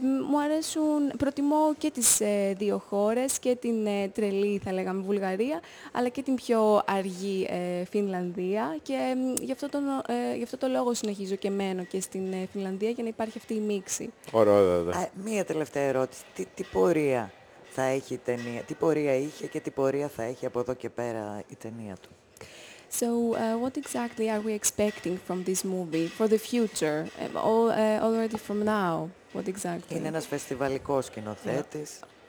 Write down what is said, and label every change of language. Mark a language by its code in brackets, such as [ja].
[el] Μου αρέσουν, προτιμώ και τις δύο χώρες, και την τρελή, θα λέγαμε, Βουλγαρία, αλλά και την πιο αργή Φινλανδία. Και γι' αυτό το λόγο συνεχίζω και μένω και στην Φινλανδία, για να υπάρχει αυτή η μίξη. Ωραία. Μία τελευταία ερώτηση. Τι πορεία θα έχει η ταινία, τι πορεία είχε και τι πορεία θα έχει από εδώ και πέρα η ταινία του? [en] So, what exactly are we expecting from this movie for the future, already from now? What exactly? [el] Είναι ένας φεστιβαλικός σκηνοθέτης.